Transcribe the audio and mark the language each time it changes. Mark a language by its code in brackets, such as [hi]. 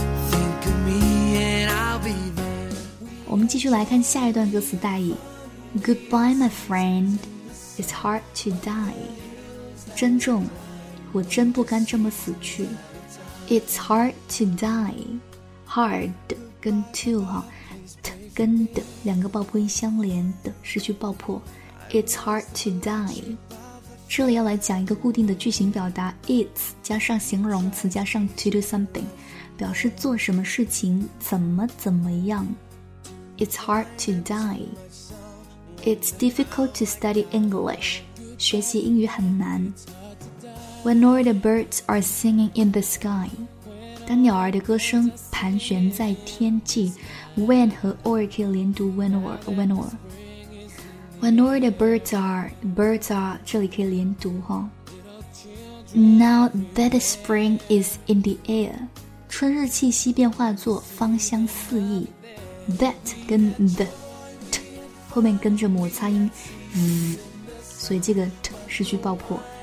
[en] Think of me and I'll be there. [zh] 我们继续来看下一段歌词大意。 [en] Goodbye, my friend. It's hard to die. [zh] 珍重，我真不甘这么死去。 [en] It's hard to die. [zh] Hard 跟 to 哈 ，t 跟的两个爆破音相连的失去爆破。 [en] It's hard to die. [zh] 这里要来讲一个固定的句型表达 ，it's 加上形容词加上 to do something， 表示做什么事情怎么怎么样。 [en] It's hard to die. It's difficult to study English. [zh] 学习英语很难。 [en] When all the birds are singing in the sky, [zh] 当鸟儿的歌声盘旋在天际 [en] ，when 和 all [zh] 可以连读 [en] when or when or。 When all the birds are [zh] 这里可以连读哈。 [en] Now that the spring is in the air, [zh] 春日气息变化作芳香四溢。 That 跟 the t 后面跟着摩擦音，所以这个 t 失去爆破。